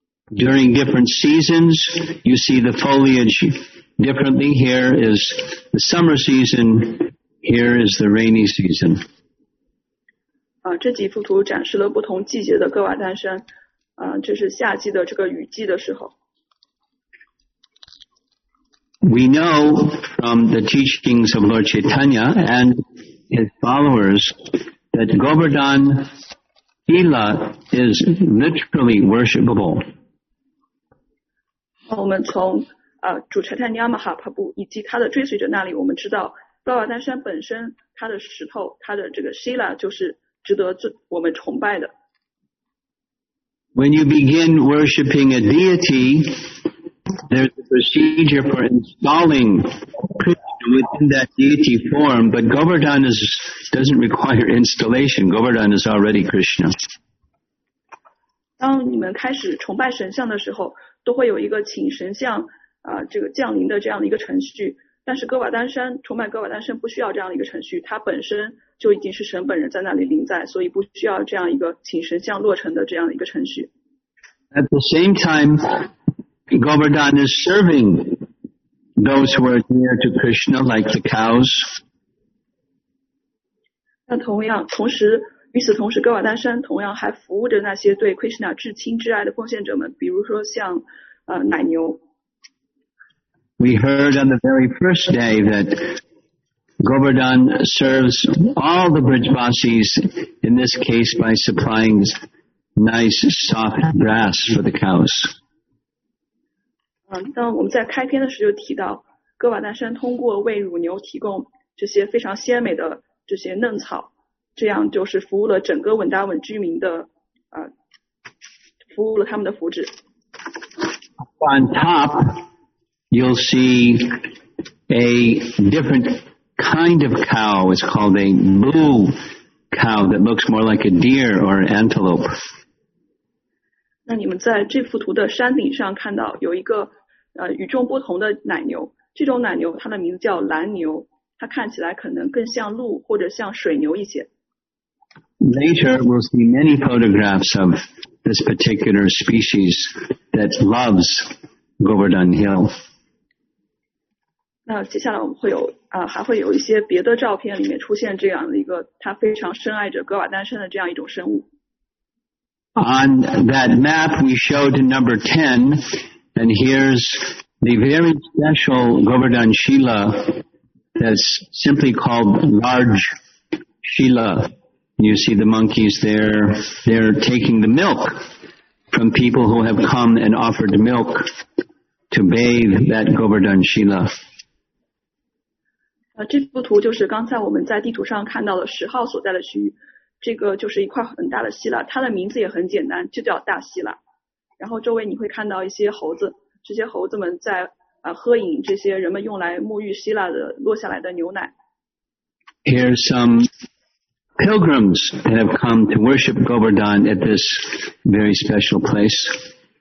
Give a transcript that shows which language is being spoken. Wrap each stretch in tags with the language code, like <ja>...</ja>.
<en>During different seasons, you see the foliage differently. Here is the summer season, here is the rainy season.</en> <zh>这几幅图展示了不同季节的哥瓦丹山，这是夏季的这个雨季的时候。</zh> <en>We know from the teachings of Lord Chaitanya and his followers that Govardhan Hila is literally worshipable.</en> <zh>我们从主柴坦尼亚马哈帕布以及他的追随者那里，我们知道哥瓦丹山本身它的石头，它的这个 Hila 就是值得我们崇拜的。</zh> <en>When you begin worshipping a deity, there's a procedure for installing Krishna within that deity form, but Govardhan doesn't require installation. Govardhan is already Krishna.</en> <zh>当你们开始崇拜神像的时候，都会有一个请神像这个降临的这样的一个程序。但是哥瓦丹山，崇拜哥瓦丹山不需要这样的一个程序，它本身就已经是神本人在那里临在，所以不需要这样一个请神像落成的这样的一个程序。</zh> <en>At the same time, Govardhan is serving those who are near to Krishna, like the cows.</en> <zh>那同样，同时与此同时，噶瓦丹山同样还服务着那些对 Krishna 至亲至爱的奉献者们，比如说像奶牛。</zh> <en>We heard on the very first day that Govardhan serves all the Brijvasis, in this case by supplying nice soft grass for the cows.</en> <zh>当我们在开篇的时候就提到，噶瓦丹山通过为乳牛提供这些非常鲜美的这些嫩草，这样就是服务了整个稳达稳居民的服务了他们的福祉。</zh> <en>On top, you'll see a different kind of cow. It's called a moo cow that looks more like a deer or an antelope.</en> <zh>那你们在这幅图的山顶上看到有一个与众不同的奶牛，这种奶牛它的名字叫蓝牛，它看起来可能更像鹿或者像水牛一些。</zh> <en>Later, we'll see many photographs of this particular species that loves Govardhan Hill.</en> <zh>那接下来我们会有还会有一些别的照片里面出现这样的一个它非常深爱着噶瓦丹山的这样一种生物。</zh> <en>On that map, we showed number 10, and here's the very special Govardhan Shila that's simply called Large Shila. You see the monkeys there, they're taking the milk from people who have come and offered milk to bathe that Govardhan Shila.</en> <zh>这幅图就是刚才我们在地图上看到的十号所在的区域。这个就是一块很大的希腊，它的名字也很简单，就叫大希腊。然后周围你会看到一些猴子，这些猴子们在喝饮这些人们用来沐浴希腊的落下来的牛奶。</zh> <en>Here's some pilgrims that have come to worship Govardhan at this very special place.</en>